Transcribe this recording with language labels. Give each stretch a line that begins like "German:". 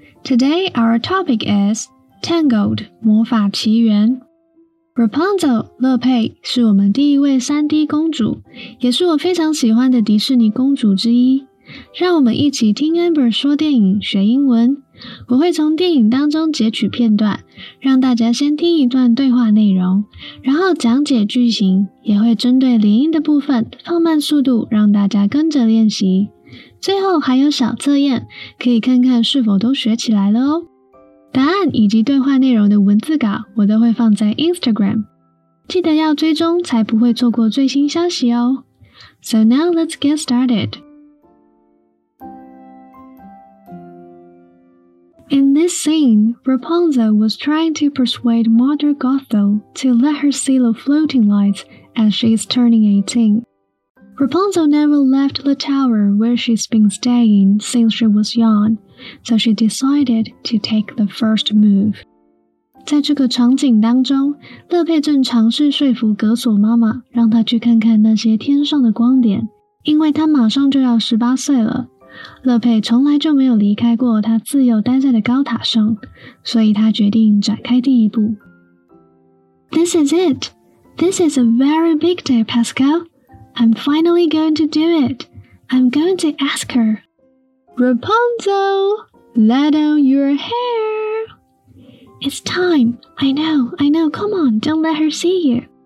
English: Today, our topic is Tangled, 魔法奇缘。
Chinese: Rapunzel, 乐佩是我们第一位 3D 公主，也是我非常喜欢的迪士尼公主之一。让我们一起听 Amber 说电影学英文。我会从电影当中截取片段，让大家先听一段对话内容，然后讲解句型，也会针对连音的部分放慢速度，让大家跟着练习。最后还有小测验，可以看看是否都学起来了哦。答案以及对话内容的文字稿我都会放在 Instagram， 记得要追踪才不会错过最新消息哦。
English: So now let's get started. In this scene, Rapunzel was trying to persuade Mother Gothel to let her see the floating lights as she is turning 18. Rapunzel never left the tower where she's been staying since she was young. So she decided to take the first move.
Chinese: 在这个场景当中，乐佩正尝试说服格索妈妈让她去看看那些天上的光点，因为她马上就要18岁了。乐佩从来就没有离开过她自幼待在的高塔上，所以她决定展开第一步。
English: This is it. This is a very big day, Pascal. I'm finally going to do it. I'm going to ask her. Rapunzel, let down your hair. It's time. I know. Come on, don't let her see you.